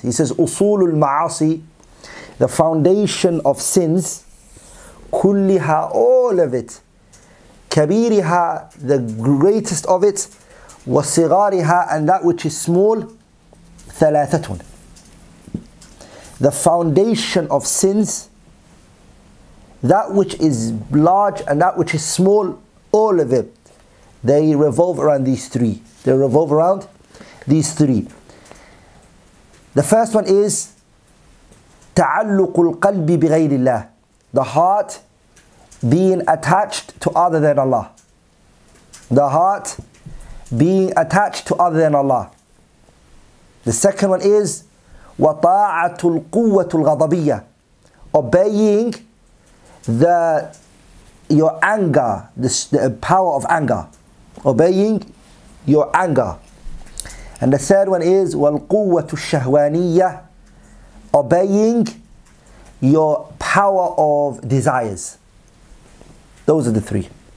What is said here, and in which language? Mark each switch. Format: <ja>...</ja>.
<en>He says,</en> <ar>أصول المعاصي,</ar> <en>the foundation of sins,</en> <ar>كلها,</ar> <en>all of it,</en> <ar>كبيرها,</ar> <en>the greatest of it,</en> <ar>وصغارها,</ar> <en>and that which is small,</en> <ar>ثلاثة.</ar> <en>The foundation of sins, that which is large and that which is small, all of it, they revolve around these three. They revolve around these three. The first one is</en> <ar>تعلق القلب بغير الله.</ar> <en>The heart being attached to other than Allah. The heart being attached to other than Allah. The second one is</en> <ar>وطاعة القوة الغضبية.</ar> <en>Obeying your anger, the power of anger, obeying your anger. And the third one is</en> <ar>والقوة الشهوانية,</ar> <en>obeying your power of desires. Those are the three.</en>